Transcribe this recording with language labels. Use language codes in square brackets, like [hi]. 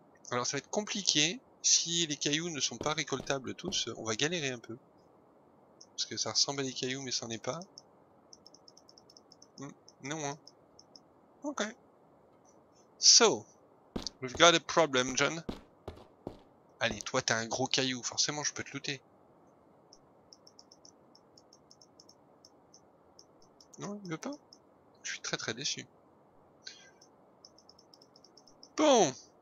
[fr] Alors ça va être compliqué. Si les cailloux ne sont pas récoltables tous, on va galérer un peu. Parce que ça ressemble à des cailloux, mais ça n'en est pas. Non, hein. Ok. [en] So, we've got a problem, John. [fr] Allez, toi t'as un gros caillou, forcément je peux te looter. Non, il veut pas. Je suis très très déçu. Bon,